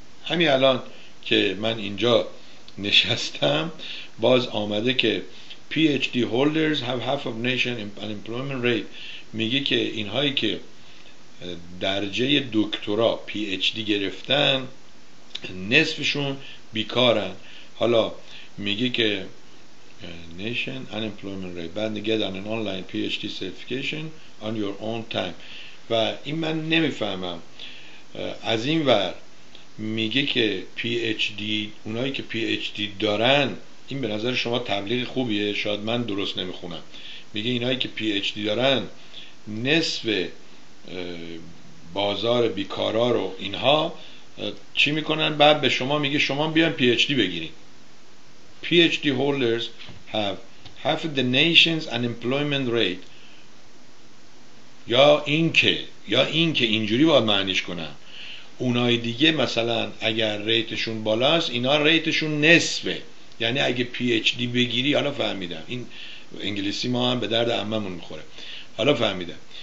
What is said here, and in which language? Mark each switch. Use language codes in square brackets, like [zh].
[fa] همین الان که من اینجا نشستم، باز آمده که [en] PhD holders have half of nation unemployment rate، [fa] میگه که اینهایی که درجه دکترا پی اچ دی گرفتن، نصفشون بیکارن. حالا میگه که [en] Nation unemployment rate, but to get an online PhD certification on your own time. [fa] و این من نمیفهمم. از این ور میگه که PhD، اونایی که PhD دارن، این به نظر شما تبلیغ خوبیه؟ شاید من درست نمیخونم. میگه اینایی که PhD دارن نصف بازار بیکارا رو اینها چی میکنن؟ بعد به شما میگه شما بیان PhD بگیرین. [en] PhD holders have half the nation's unemployment rate. [fa] یا اینکه اینجوری باید معنیش کنن. اونای دیگه مثلا اگر ریتشون بالاست، اینا ریتشون نصفه. یعنی اگه PhD بگیری، حالا فهمیدم، این انگلیسی ما هم به درد عممون میخوره، حالا فهمیدم.